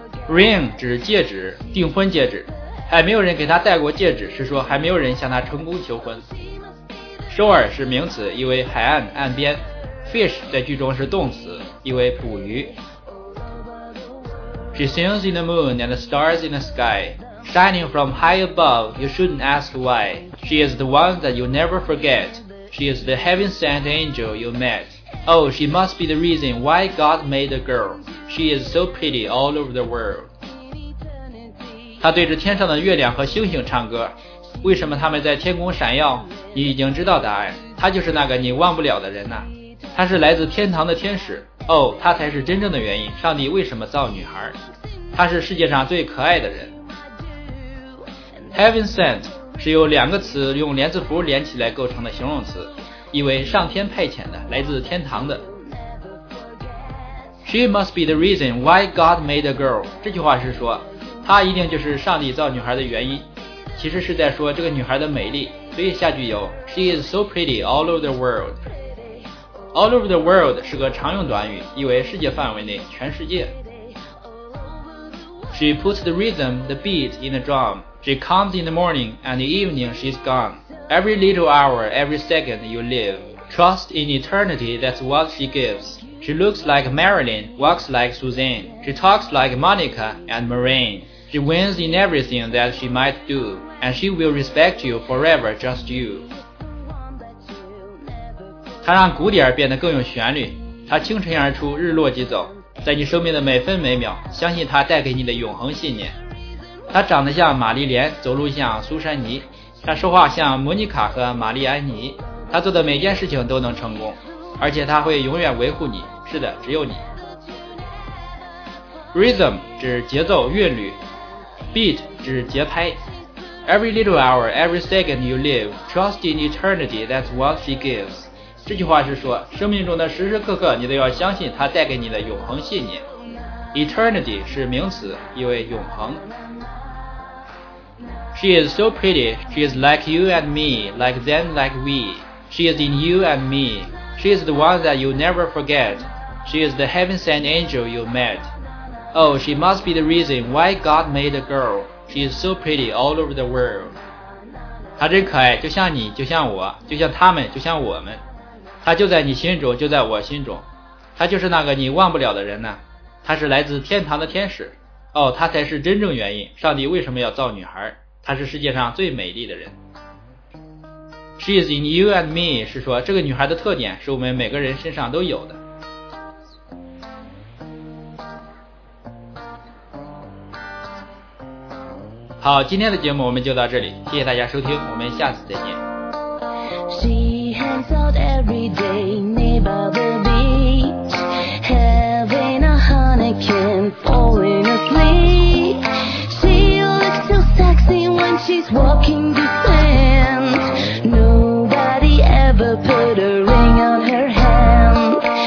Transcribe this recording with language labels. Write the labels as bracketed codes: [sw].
[zh] Ring 指戒指，订婚戒指，还没有人给他戴过戒指，是说还没有人向他成功求婚。 Shore 是名词，意为海岸岸边。Fish 在句中是动词，意为捕鱼。 [en] She sings in the moon and the stars in the sky, shining from high above, you shouldn't ask why. She is the one that you never forget. She is the heaven-sent angel you met. Oh, she must be the reason why God made a girl. She is so pretty all over the world. [zh] 她对着天上的月亮和星星唱歌，为什么他们在天空闪耀？你已经知道答案，她就是那个你忘不了的人呐。她是来自天堂的天使。哦，她才是真正的原因，上帝为什么造女孩。她是世界上最可爱的人。 Heaven sent 是由两个词用连字符连起来构成的形容词，意为上天派遣的，来自天堂的。 [en] She must be the reason why God made a girl， [zh] 这句话是说她一定就是上帝造女孩的原因，其实是在说这个女孩的美丽。所以下句有 [en] She is so pretty all over the worldAll over the world [zh] 是个常用短语，意为世界范围内，全世界。 [en] She puts the rhythm, the beat in the drum. She comes in the morning and the evening she's gone. Every little hour, every second you live. Trust in eternity, that's what she gives. She looks like Marilyn, walks like Suzanne. She talks like Monica and Moraine. She wins in everything that she might do. And she will respect you forever, just you. [zh] 它让鼓点变得更有旋律，它清晨而出，日落即走，在你生命的每分每秒，相信它带给你的永恒信念。它长得像玛丽莲，走路像苏珊妮，它说话像莫妮卡和玛丽安妮，它做的每件事情都能成功，而且它会永远维护你。是的，只有你。 Rhythm 指节奏韵律， Beat 指节拍。 [en] Every little hour, every second you live, trust in eternity, that's what she gives. [zh] 这句话是说生命中的时时刻刻你都要相信它带给你的永恒信念。 Eternity 是名词，意为永恒。 [en] She is so pretty, she is like you and me, like them, like we. She is in you and me. She is the one that you never forget. She is the heaven-sent angel you met. Oh, she must be the reason why God made a girl. She is so pretty all over the world. [zh] 她真可爱，就像你，就像我，就像他们，就像我们。他就在你心中，就在我心中，他就是那个你忘不了的人呢。他是来自天堂的天使。哦，他才是真正原因，上帝为什么要造女孩。他是世界上最美丽的人。 [en] She is in you and me [zh] 是说这个女孩的特点是我们每个人身上都有的。好，今天的节目我们就到这里，谢谢大家收听，我们下次再见。 [en] Hangs out every day near the beach, having a honeycomb, falling asleep. She looks so sexy when she's walking the sand. Nobody ever put a ring on her hand.